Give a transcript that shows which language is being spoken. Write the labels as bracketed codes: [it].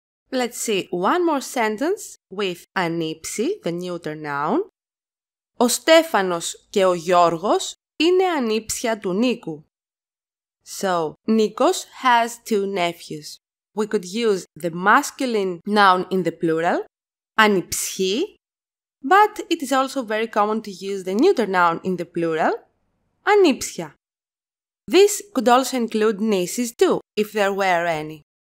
[en] Let's see one more sentence with ανίψι, the neuter noun. [el] Ο Στέφανος και ο Γιώργος είναι ανίψια του Νίκου. [en] So, Nikos has two nephews. We could use the masculine noun in the plural, ανιψιοί, but it is also very common to use the neuter noun in the plural, ανίψια. This could also include nieces too, if there were any.